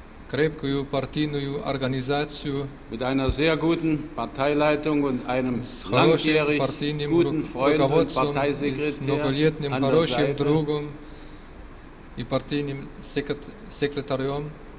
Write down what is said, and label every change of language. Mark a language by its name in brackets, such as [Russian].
[Russian] крепкую партийную организацию, [German] mit einer sehr guten Parteileitung und einem langjährig guten Freund und Parteisekretär an der Seite. [Russian] И партийным секретарем,